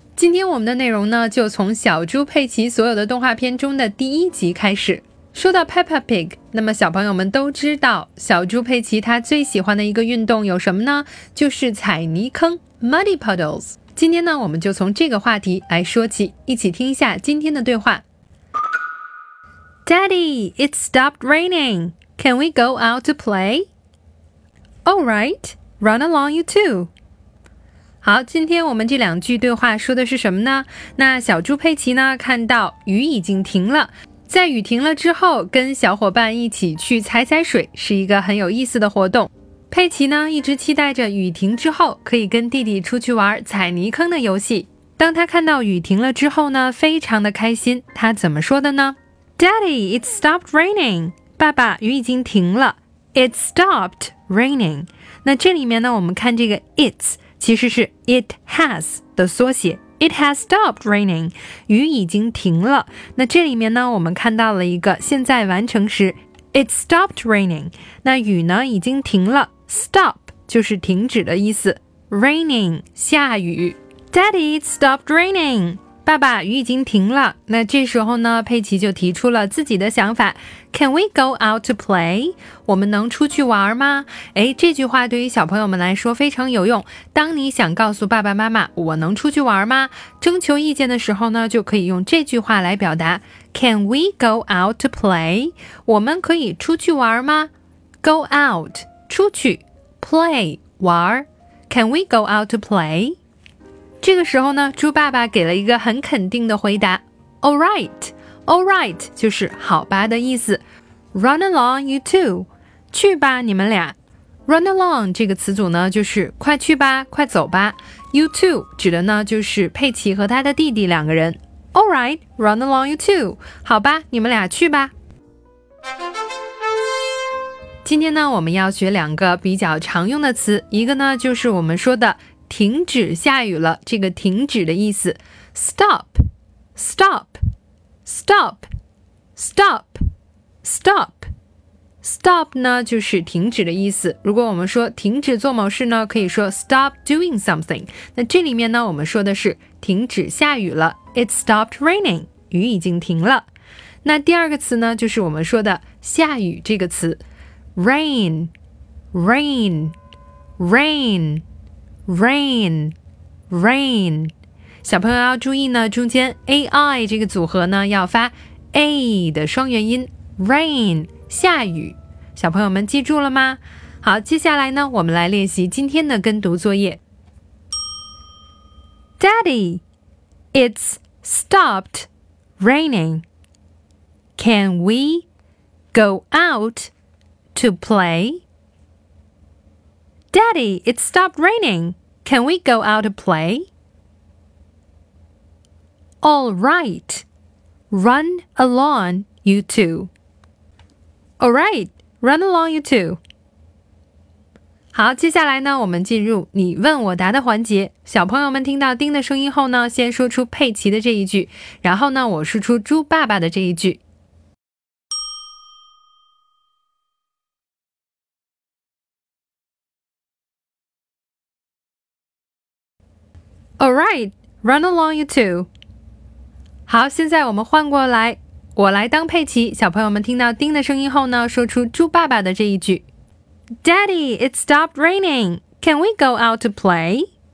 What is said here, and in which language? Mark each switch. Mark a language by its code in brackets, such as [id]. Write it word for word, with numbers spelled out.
[zh] 今天我们的内容呢，就从小猪佩奇所有的动画片中的第一集开始。说到 Peppa Pig， 那么小朋友们都知道，小猪佩奇他最喜欢的一个运动有什么呢？就是踩泥坑 [en] Muddy Puddles。 [zh] 今天呢，我们就从这个话题来说起，一起听一下今天的对话。 [en] Daddy, it stopped raining. Can we go out to play? Alright, run along you too. [zh] 好，今天我们这两句对话说的是什么呢？那小猪佩奇呢，看到雨已经停了，在雨停了之后，跟小伙伴一起去踩踩水，是一个很有意思的活动。佩奇呢，一直期待着雨停之后，可以跟弟弟出去玩踩泥坑的游戏。当他看到雨停了之后呢，非常的开心，他怎么说的呢？ [en] Daddy, it stopped raining. [zh] 爸爸，雨已经停了。 [en] It stopped. [zh] Raining， 那这里面呢，我们看这个 it's 其实是 [en] it has [zh] 的缩写。 [en] It has stopped raining， [zh] 雨已经停了。那这里面呢，我们看到了一个现在完成时 ， [en] it stopped raining。 [zh] 那雨呢已经停了 ，stop 就是停止的意思 ，raining 下雨。 [en] Daddy, it stopped raining。 [zh] 爸爸，雨已经停了。那这时候呢，佩奇就提出了自己的想法 ： [en] Can we go out to play？ [zh] 我们能出去玩吗？诶，这句话对于小朋友们来说非常有用。当你想告诉爸爸妈妈我能出去玩吗？征求意见的时候呢，就可以用这句话来表达 ： [en] Can we go out to play？ [zh] 我们可以出去玩吗 [en] ？Go out 出去 ，play 玩 ，Can we go out to play？ [zh] 这个时候呢，猪爸爸给了一个很肯定的回答 [en] All right, all right [zh] 就是好吧的意思。 [en] Run along you two [zh] 去吧你们俩。 Run along 这个词组呢，就是快去吧快走吧。 You two 指的呢就是佩奇和他的弟弟两个人。 [en] All right, run along you two [zh] 好吧你们俩去吧。今天呢，我们要学两个比较常用的词，一个呢就是我们说的停止下雨了，这个停止的意思 [en] stop stop stop stop [zh] stop stop 呢就是停止的意思。如果我们说停止做某事呢，可以说 [en] stop doing something。 [zh] 那这里面呢，我们说的是停止下雨了， [en] it stopped raining， [zh] 雨已经停了。那第二个词呢，就是我们说的下雨这个词 [en] rain rain rain rain rain。 [zh] 小朋友要注意呢，中间 ai 这个组合呢要发 a 的双元音 rain 下雨。小朋友们记住了吗？好，接下来呢，我们来练习今天的跟读作业。 [en] Daddy, it's stopped raining. Can we go out to play? Daddy, it stopped raining. Can we go out to play? All right. Run along, you two. All right. Run along, you two. [zh] 好，接下来呢，我们进入你问我答的环节。小朋友们听到叮的声音后呢，先说出佩奇的这一句，然后呢，我说出猪爸爸的这一句。 [en] Alright, run along you two. [zh] 好，现在我们换过来，我来当佩奇。小朋友们听到叮的声音后呢，说出猪爸爸的这一句。 [en] Daddy, it stopped raining. Can we go out to play?